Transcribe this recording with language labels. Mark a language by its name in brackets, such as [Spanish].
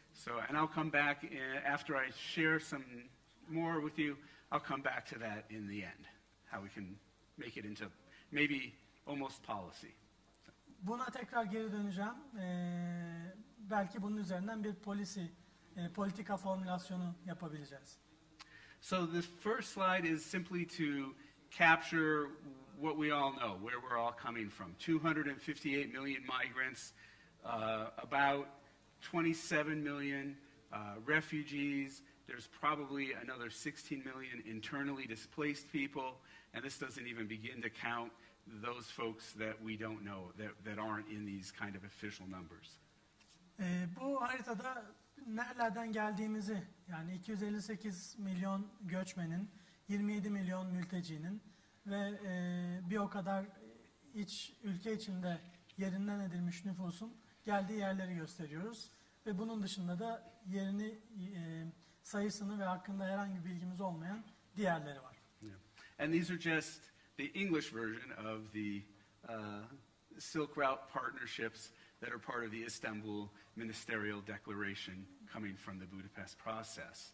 [English] So, and I'll come back after I share some more with you. I'll come back to that in the end, how we can make it into maybe almost policy. [Turkish] Buna tekrar geri döneceğim. Belki bunun üzerinden bir policy, politika formülasyonu yapabileceğiz. [English] So the first slide is simply to capture what we all know, where we're all coming from. 258 million migrants, about 27 million refugees. There's probably another 16 million internally displaced people, and this doesn't even begin to count those folks that we don't know, that aren't in these kind of official numbers. [Turkish] Bu haritada nerelerden geldiğimizi, yani 258 milyon göçmenin, 27 milyon mültecinin ve bir o kadar iç ülke içinde yerinden edilmiş nüfusun geldiği yerleri gösteriyoruz ve bunun dışında da yerini sayısını ve hakkında herhangi bir bilgimiz olmayan diğerleri var. [English] Yeah. And these are just the English version of the Silk Route partnerships that are part of the Istanbul Ministerial Declaration coming from the Budapest process.